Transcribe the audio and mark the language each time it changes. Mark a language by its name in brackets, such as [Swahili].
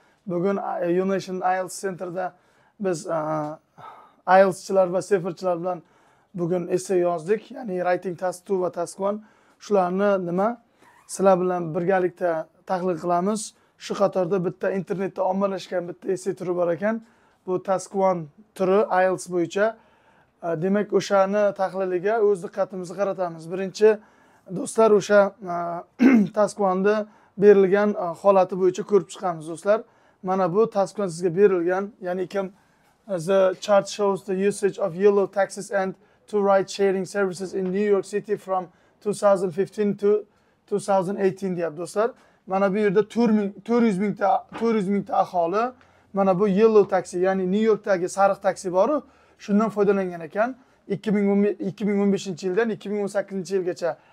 [Uzbek] Bugun UNation IELTS Center'da biz IELTS'çılar ve Safer'çılar bilan bugün essay yozdik. Ya'ni writing task 2 va task 1. Shularni nima? Sizlar bilan birgalikda tahlil qilamiz. Shu qatorda bitta internetda ommalashgan bitta essay turi bor ekan. Bu task 1 turi IELTS bo'yicha. Demak, o'shani tahliliga o'z diqqatimizni qaratamiz. Birinchi do'stlar, o'sha task 1da berilgan holati bo'yicha ko'rib chiqamiz do'stlar. Mana bu task 1 sizga berilgan, ya'ni kim [English] the chart shows the usage of yellow taxis and two ride sharing services in New York City from 2015 to 2018 [Uzbek] deyap do'stlar. Mana bu yerda 400 mingta aholi mana bu yellow taxi, ya'ni New Yorkdagi sariq taxi bor-ku, shundan foydalangan ekan 2015-yildan 2018-yilgacha.